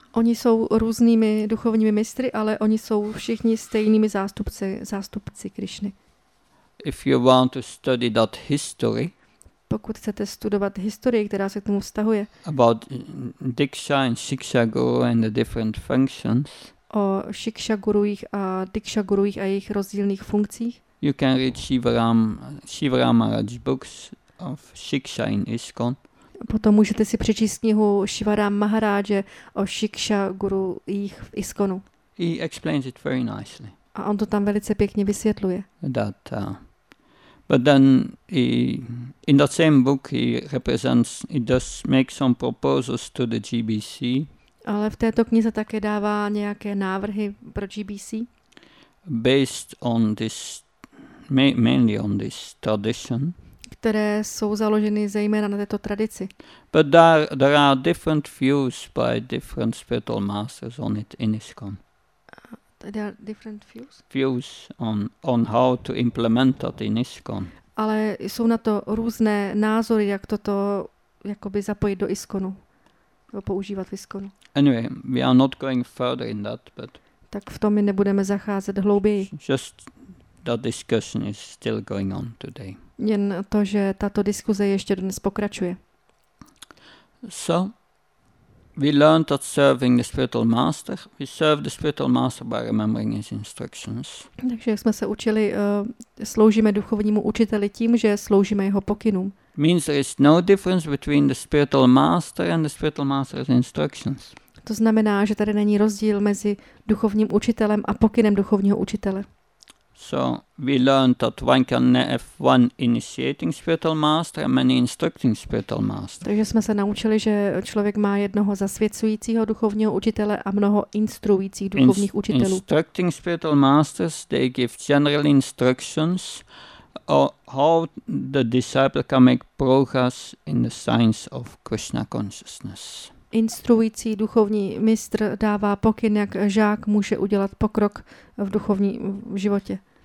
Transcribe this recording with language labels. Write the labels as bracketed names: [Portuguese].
[Czech] Oni jsou různými duchovními mistry, ale oni jsou všichni stejnými zástupci Krishny. [English] If you want to study that history, [Czech] pokud chcete studovat historii, která se k tomu vztahuje, [English] about Diksha and Shiksha Guru and the different functions, [Czech] o Shiksha Guruích a Diksha Guruích a jejich rozdílných funkcích, [English] you can read Shivaram Maharaj's books of Shiksha in ISKCON. [Czech] Potom můžete si přečíst knihu Shivaram Maharaje o Shiksha Guruích v ISKCONu. [English] He explains it very nicely. [Czech] A on to tam velice pěkně vysvětluje. [English] That, but then he, in that same book he represents, he does make some proposals to the GBC. [Czech] Ale v této knize také dává nějaké návrhy pro GBC. [English] Based on this, mainly on this tradition. [Czech] Které jsou založeny zejména na této tradici. [English] But there are different views by different spiritual masters on it in ISKCON. There are different views? Views on how to implement that in ISKCON. [Czech] Ale jsou na to různé názory, jak toto jakoby zapojit do ISKCONu. Používat v ISKCONu. [English] Anyway, we are not going further in that, but [Czech] tak v tom my nebudeme zacházet hlouběji. [English] Just that discussion is still going on today. [Czech] Jen to, že tato diskuze ještě dnes pokračuje. [English] So, we learned that serving the spiritual master, we serve the spiritual master by remembering his instructions. [Czech] Takže jsme se učili, sloužíme duchovnímu učiteli tím, že sloužíme jeho pokynům. [English] Means there is no difference between the spiritual master and the spiritual master's instructions. [Czech] To znamená, že tady není rozdíl mezi duchovním učitelem a pokynem duchovního učitele. [English] So we learned that one can have one initiating spiritual master and many instructing spiritual masters. [Czech] Takže jsme se naučili, že člověk má jednoho zasvěcujícího duchovního učitele a mnoho instruujících duchovních učitelů. [English] Instructing spiritual masters, they give general instructions on how the disciple can make progress in the science of Krishna consciousness. [Czech] Instruující duchovní mistr dává pokyn, jak žák může udělat pokrok v duchovním životě.